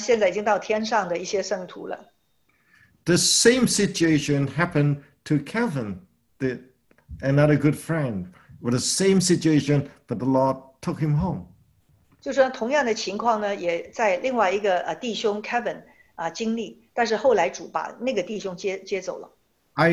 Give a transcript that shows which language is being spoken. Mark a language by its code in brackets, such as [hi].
[zh] 所以后来他还跟我说呢，他真的就已经见到呢，过去在西安，现在已经到天上的一些圣徒了。 [en] The same situation happened to Kevin, the another good friend. With the same situation, but the Lord took him home. [zh] 就说同样的情况呢，也在另外一个弟兄 Kevin 经历，但是后来主把那个弟兄接走了。 [en] I